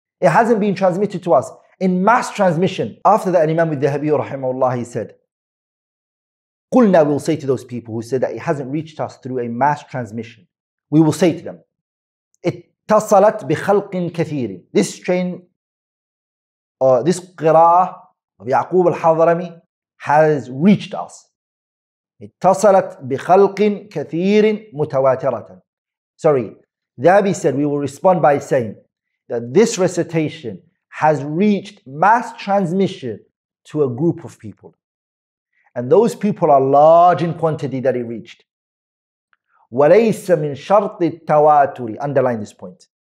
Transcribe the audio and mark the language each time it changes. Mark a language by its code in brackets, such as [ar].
[en] It hasn't been transmitted to us in mass transmission. After that, Imam al-Dhahabi rahimahullah, he said, قُلْنَا, we'll say to those people who said that it hasn't reached us through a mass transmission, we will say to them, اتصلت بخلق كثير. This train, this qira'ah of Ya'qub al-Hadrami has reached us. [ar] اتصلت بخلق كثير متواترة. [en] Sorry, Dhabi said, we will respond by saying that this recitation has reached mass transmission to a group of people. And those people are large in quantity that it reached. وَلَيْسَ مِنْ شَرْطِ التَّوَاتُرِ, underline this point.